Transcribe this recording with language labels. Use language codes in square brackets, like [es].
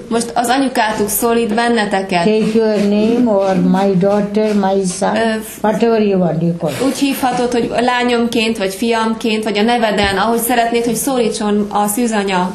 [hu] Most az anyukátok szólít benneteket. [en] Take your name or my daughter, my son, whatever you want, you call. [hu] Úgy hívhatod, hogy lányomként, vagy fiamként, vagy a neveden, ahogy szeretnéd, hogy szólítson a szűzanya.